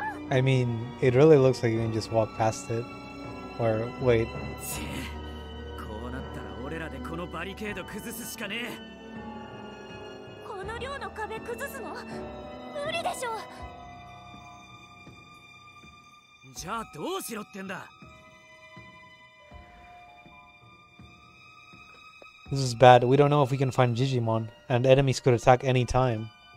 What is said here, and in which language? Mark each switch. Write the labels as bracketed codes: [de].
[en] I mean, it really looks like you can just walk past it. Or wait. [ja] こうなったら俺らでこのバリケード崩すしかねえ。この量の壁崩すの無理でしょ。じゃあどうしろってんだ。 [en] This is bad. We don't know if we can find Digimon, and enemies could attack any time.